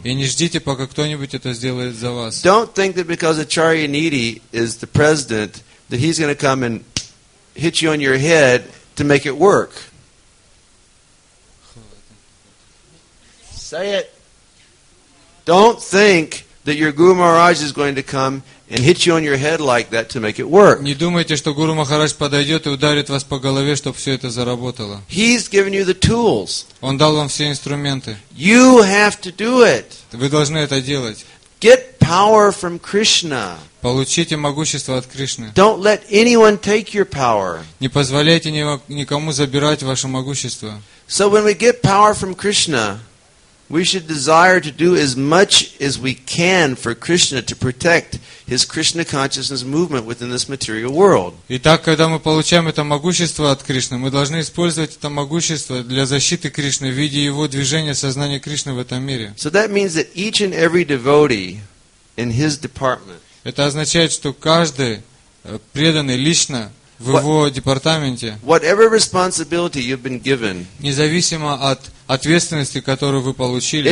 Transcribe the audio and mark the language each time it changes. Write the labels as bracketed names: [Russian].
[Russian] И не ждите, пока кто-нибудь это сделает за вас. [English] Don't think that because Acharya Nidhi is the president that he's going to come and hit you on your head to make it work. Say it. Don't think that your Guru Maharaj is going to come and hit you on your head like that to make it work. [Russian] Не думайте, что Гуру Махарадж подойдет и ударит вас по голове, чтобы все это заработало. [English] He's given you the tools. [Russian] Он дал вам все инструменты. [English] You have to do it. [Russian] Вы должны это делать. [English] Get power. power from Krishna. [Russian] Получите могущество от Кришны. [English] Don't let anyone take your power. [Russian] Не позволяйте никому забирать ваше могущество. [English] So when we get power from Krishna, we should desire to do as much as we can for Krishna to protect his Krishna consciousness movement within this material world. [Russian] Итак, когда мы получаем это могущество от Кришны, мы должны использовать это могущество для защиты Кришны в виде его движения сознания Кришны в этом мире. [English] So that means that each and every devotee in his department. [Russian] Это означает, что каждый преданный лично в его департаменте, [English] whatever responsibility you've been given, [Russian] независимо от ответственности, которую вы получили,